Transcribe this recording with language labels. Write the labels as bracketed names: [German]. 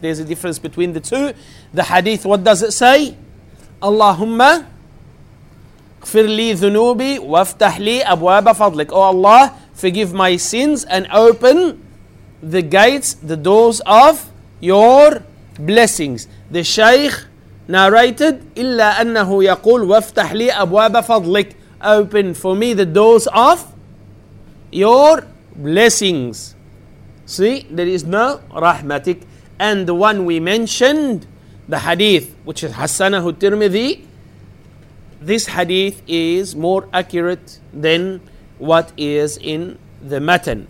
[English] There's a difference between the two. The hadith, what does it say? [Arabic] Allahumma اغفر لي ذنوبي وافتح لي أبواب فضلك. [English] Oh Allah, forgive my sins and open the gates, the doors of your blessings. The Shaykh narrated, [Arabic] إلا أنه يقول وافتح لي أبواب فضلك. [English] Open for me the doors of your blessings. See, there is no rahmatik. And the one we mentioned, the hadith which is Hassanahu Tirmidhi, this hadith is more accurate than what is in the matan.